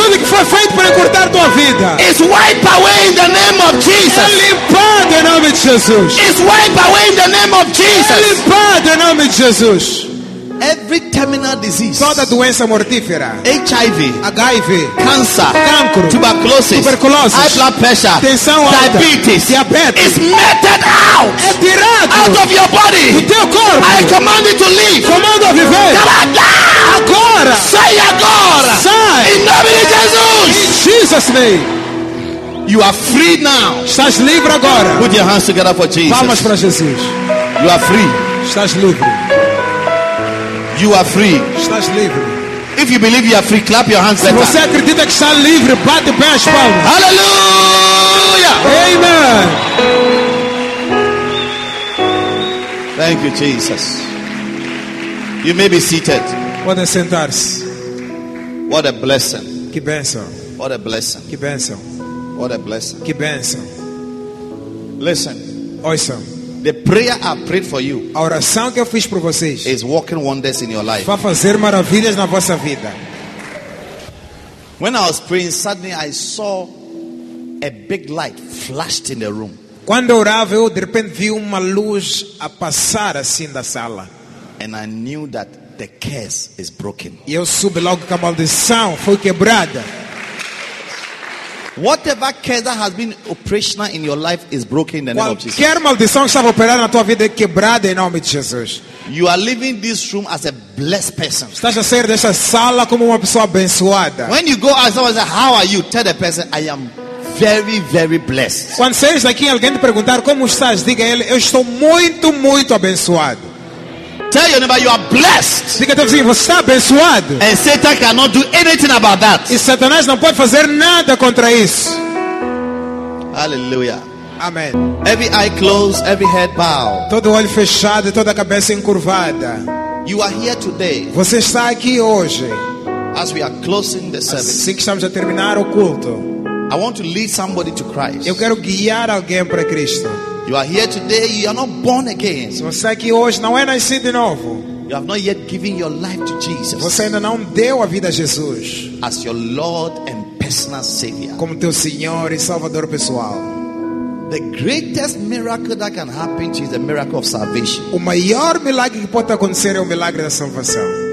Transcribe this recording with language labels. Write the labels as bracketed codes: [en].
[pt] Tudo que foi feito para cortar tua vida. [en] Is wiped away in the name of Jesus. [pt] É limpado em nome de Jesus. [en] Is wiped away in the name of Jesus. [pt] É limpado em nome de Jesus. [en] Every terminal disease, [pt] toda doença mortífera, [en] HIV, [pt] HIV, [en] cancer, [pt] cancro, [en] tuberculosis, [pt] tuberculose, [en] high blood pressure, [pt] tensão alta, [en] diabetes, [pt] diabetes, [en] is melted out, [pt] é tirado, [en] out of your body, [pt] do teu corpo. [en] I command it to leave, [pt] comando a viver, agora, sai agora, sai, em nome de Jesus, [en] in Jesus name. You are free now, [pt] estás livre agora. [en] Put your hands together for Jesus. [pt] Palmas para Jesus. [en] You are free, [pt] estás livre. [en] You are free. [pt] Estás livre. [en] If you believe you are free, clap your hands. [pt] Se você acredita que está livre, bate bem as palmas. [en] Hallelujah. [pt] Amen. [en] Thank you, Jesus. You may be seated. [pt] Pode sentar-se. [en] What a blessing. [pt] Que bênção. [en] What a blessing. [pt] Que bênção. [en] What a blessing. [pt] Que bênção. [en] Listen. [pt] Ouçam. [en] The prayer I prayed for you, [pt] a oração que eu fiz por vocês, [en] is working wonders in your life. [pt] Vai fazer maravilhas na vossa vida. [en] When I was praying, suddenly I saw a big light flashed in the room. [pt] Quando orava, eu de repente vi uma luz a passar assim da sala. [en] And I knew that the curse is broken. [pt] E eu soube logo que a maldição foi quebrada. [en] Whatever curse that has been operational in your life is broken in the name of Jesus. [pt] Qualquer maldição que estava operando na tua vida é quebrada em nome de Jesus. [en] You are leaving this room as a blessed person. [pt] Estás a sair desta sala como uma pessoa abençoada. [en] When you go ask someone, how are you? Tell the person, I am very, very blessed. [pt] Quando saís daqui, alguém te perguntar como estás, diga a ele, eu estou muito, muito abençoado. [en] Tell your neighbor you are blessed. [pt] Diga a teu vizinho, você está abençoado. [en] And Satan cannot do anything about that. [pt] E Satanás não pode fazer nada contra isso. [en] Hallelujah. [pt] Amen. [en] Every eye closed, every head bow. [pt] Todo olho fechado, toda cabeça encurvada. [en] You are here today. [pt] Você está aqui hoje. [en] As we are closing the service. [pt] Assim que estamos a terminar o culto. [en] I want to lead somebody to Christ. [pt] Eu quero guiar alguém para Cristo. [en] You are here today, you are not born again. [pt] Você aqui hoje não é nascido de novo. [en] You have not yet given your life to Jesus. [pt] Você ainda não deu a vida a Jesus. [en] As your Lord and personal Savior. [pt] Como teu Senhor e Salvador pessoal. [en] The greatest miracle that can happen to you is the miracle of salvation. [pt] O maior milagre que pode acontecer é o milagre da salvação.